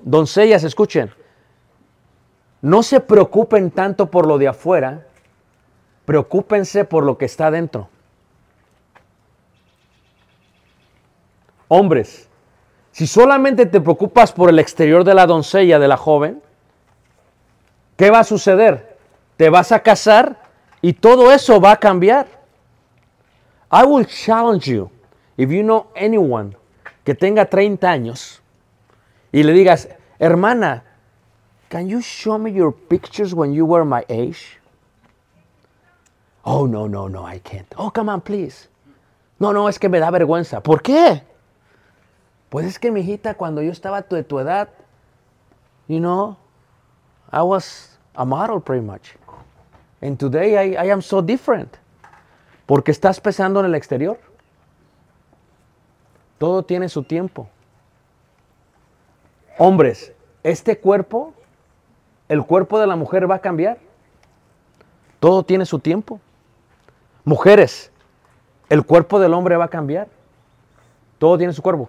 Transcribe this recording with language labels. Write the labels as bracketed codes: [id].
[es] Doncellas, escuchen. No se preocupen tanto por lo de afuera, preocúpense por lo que está dentro. Hombres, si solamente te preocupas por el exterior de la doncella, de la joven, ¿qué va a suceder? Te vas a casar. Y todo eso va a cambiar. [en] I will challenge you, if you know anyone [es] que tenga 30 años y le digas, hermana, [en] can you show me your pictures when you were my age? Oh, no, no, no, I can't. Oh, come on, please. [es] No, no, es que me da vergüenza. ¿Por qué? Pues es que, mijita, cuando yo estaba de tu edad, [en] you know, I was a model pretty much. And today I am so different. [es] Porque estás pensando en el exterior. Todo tiene su tiempo. Hombres, este cuerpo, el cuerpo de la mujer va a cambiar. Todo tiene su tiempo. Mujeres, el cuerpo del hombre va a cambiar. Todo tiene su cuerpo.